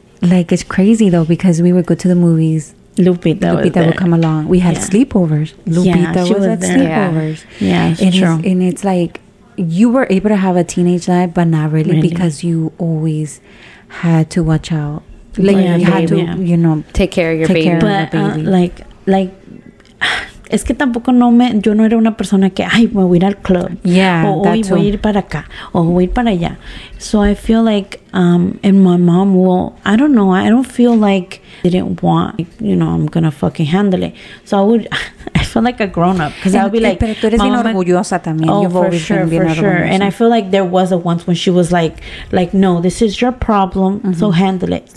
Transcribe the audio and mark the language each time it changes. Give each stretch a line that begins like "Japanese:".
English: Like, it's crazy, though, because we would go to the movies. Lupita would come along. We had sleepovers. Lupita was at sleepovers. Yeah, it's true. And it's like, you were able to have a teenage life, but not really, because you always had to watch out. Like, take care of your baby.
Spanish: Es que tampoco yo no era una persona que, ay, me voy a ir al club.
English: Yeah,
Spanish: o hoy voy a ir para acá. O voy a ir para allá.
English: So I feel like, and my mom will, I don't know, I don't feel like they didn't want, like, you know, I'm going to fucking handle it. So I feel like a grown up. Because I'll be like,
Spanish: pero tú eres bien orgullosa también.
English: Oh, for sure. And I feel like there was a once when she was like, no, this is your problem, so handle it.